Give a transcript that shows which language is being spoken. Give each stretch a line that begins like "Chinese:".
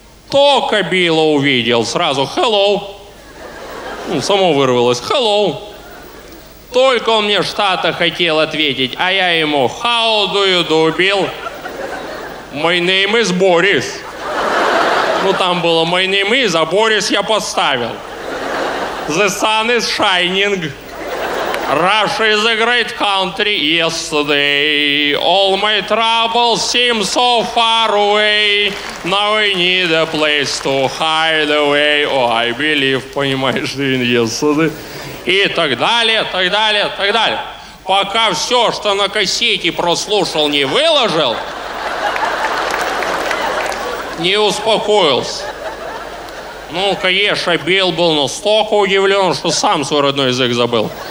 Russian: Только Билла увидел, сразу hello. Ну, само вырвалось, hello. Только он мне что-то хотел ответить, а я ему,
English: how do you do, Bill? My name is Boris.
Russian: Ну, там было
English: «My name is»,
Russian: а «Борис» я поставил.
English: «The sun is shining. Russia is a great country. Yesterday all my troubles seem so far away. Now I need a place to hide away. Oh, I believe,
Russian: понимаешь,
English: in yesterday».
Russian: И так далее, так далее, так далее. Пока все, что на кассете прослушал, не выложил, не успокоился. Ну, конечно, Билл был настолько удивлен, что сам свой родной язык забыл.